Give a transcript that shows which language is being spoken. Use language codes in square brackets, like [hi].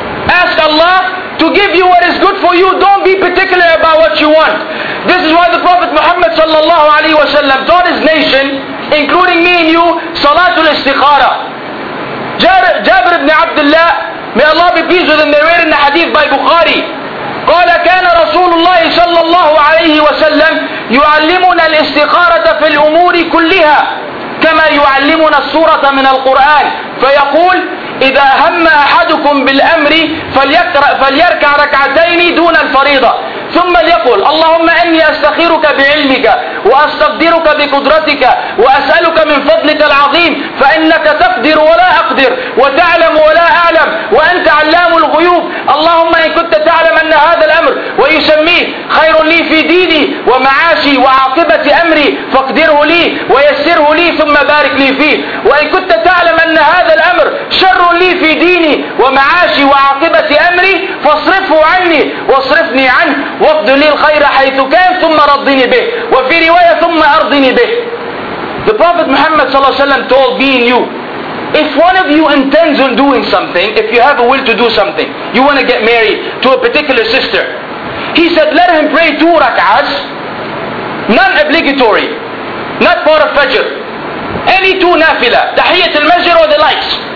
[en] Ask Allah to give you what is good for you. Don't be particular about what you want. This is why the Prophet Muhammad sallallahu alaihi wasallam taught his nation, including me and you, Salatul Istikhara. Jabir ibn Abdullah, may Allah be pleased with him, narrated in the hadith by Bukhari. [ar] قال كان رسول الله صلى الله عليه وسلم يعلمنا الاستخارة في الأمور كلها كما يعلمنا السورة من القرآن فيقول إذا هم أحدكم بالأمر فليركع ركعتين دون الفريضة ثم ليقول اللهم إني أستخيرك بعلمك وأستقدرك بقدرتك وأسألك من فضلك العظيم فإنك تقدر ولا أقدر وتعلم ولا أعلم وأنت علام الغيوب اللهم إن كنت تعلم أن هذا الأمر ويسميه خير لي في ديني ومعاشي وعاقبة أمري فاقدره لي ويسره لي ثم بارك لي فيه وإن كنت تعلم أن هذا الأمر شر لي في ديني ومعاشي وعاقبة أمري فاصرفه عني واصرفني عنه وفد لي الخير حيث كان ثم رضني به وفي رواية ثم أرضني به. [en] The Prophet Muhammad sallallahu alaihi wasallam told me and you, if one of you intends on doing something, if you have a will to do something, you want to get married to a particular sister, he said let him pray two rak'ahs, non-obligatory, not part of fajr, any two nafila, tahiyyat al-masjid or the likes.